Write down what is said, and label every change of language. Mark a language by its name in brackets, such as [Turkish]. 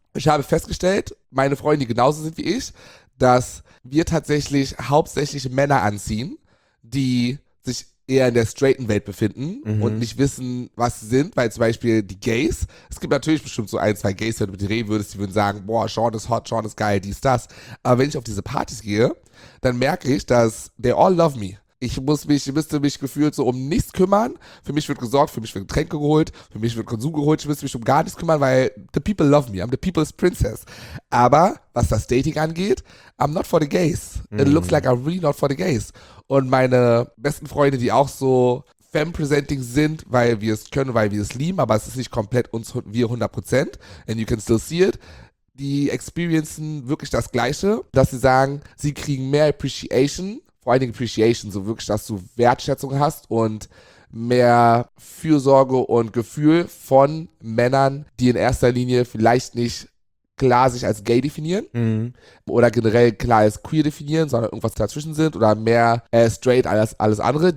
[German] Ich habe festgestellt, meine Freunde, die genauso sind wie ich, dass wir tatsächlich hauptsächlich Männer anziehen, die sich eher in der straighten Welt befinden und nicht wissen, was sie sind, weil zum Beispiel die Gays, es gibt natürlich bestimmt so ein, zwei Gays, wenn du mit dir reden würdest, die würden sagen, boah, Sean ist hot, Sean ist geil, dies, das. Aber wenn ich auf diese Partys gehe, dann merke ich, dass [English] they all love me. [German] Ich müsste mich gefühlt so um nichts kümmern. Für mich wird gesorgt, für mich wird Getränke geholt, für mich wird Konsum geholt. Ich müsste mich um gar nichts kümmern, weil [English] the people love me. I'm the people's princess. [German] Aber was das Dating angeht, [English] I'm not for the gays. It looks like I'm really not for the gays. [German] Und meine besten Freunde, die auch so fem-presenting sind, weil wir es können, weil wir es lieben, aber es ist nicht komplett uns, wir 100%. [English] And you can still see it. [German] Die experiencen wirklich das Gleiche, dass sie sagen, sie kriegen mehr Appreciation, vor allen Dingen Appreciation, so wirklich, dass du Wertschätzung hast und mehr Fürsorge und Gefühl von Männern, die in erster Linie vielleicht nicht klar sich als gay definieren oder generell klar als queer definieren, sondern irgendwas dazwischen sind oder mehr straight als alles andere.